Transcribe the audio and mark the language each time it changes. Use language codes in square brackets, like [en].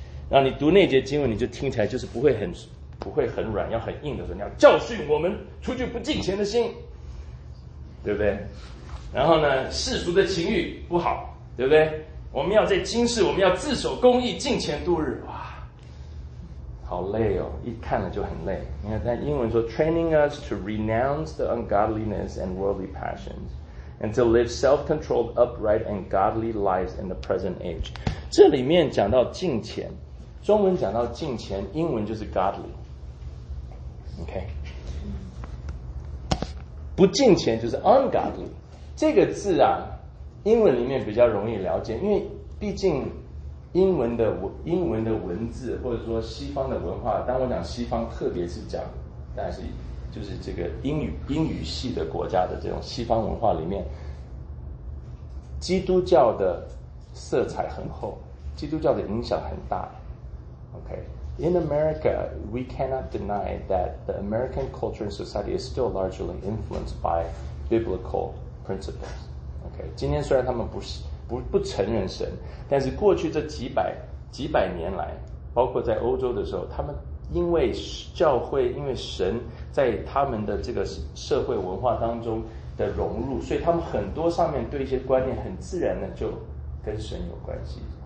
[zh] 然后你读那节经文，你就听起来就是不会很软，要很硬的说，你要教训我们除去不敬虔的心，对不对？然后呢，世俗的情欲不好，对不对？我们要在今世，我们要自守公义，敬虔度日。哇，好累哦，一看了就很累。你看，在英文说 [en] ，training us to renounce the ungodliness and worldly passions, and to live self-controlled, upright, and godly lives in the present age。 [zh] 这里面讲到敬虔。中文讲到敬虔，英文就是 godly， OK， 不敬虔就是 ungodly。这个字啊，英文里面比较容易了解，因为毕竟英文的文字，或者说西方的文化，当我讲西方，特别是讲但是就是这个英语系的国家的这种西方文化里面，基督教的色彩很厚，基督教的影响很大。 [en] Okay. In America, we cannot deny that the American culture and society is still largely influenced by biblical principles. Okay. [zh] 今天虽然他们不承认神，但是过去这几百年来，包括在欧洲的时候，他们因为教会，因为神在他们的这个社会文化当中的融入，所以他们很多上面对一些观念很自然的就跟神有关系。